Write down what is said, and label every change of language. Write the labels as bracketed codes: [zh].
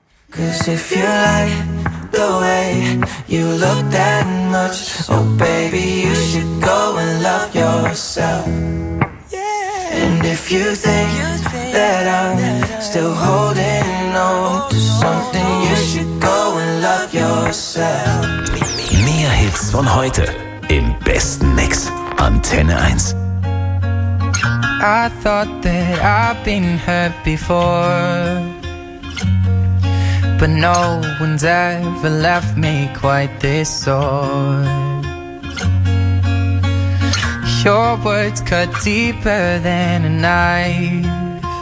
[en] 'Cause if you like the way you look that much, oh baby, you should go and love yourself. And if you think that I'm still holding on to something, you should go and love yourself. [de] Mehr Hits von heute im besten Mix. Antenne 1. [en] I thought that I'd been hurt before, but no one's ever left me quite this sore. Your words cut deeper than a knife.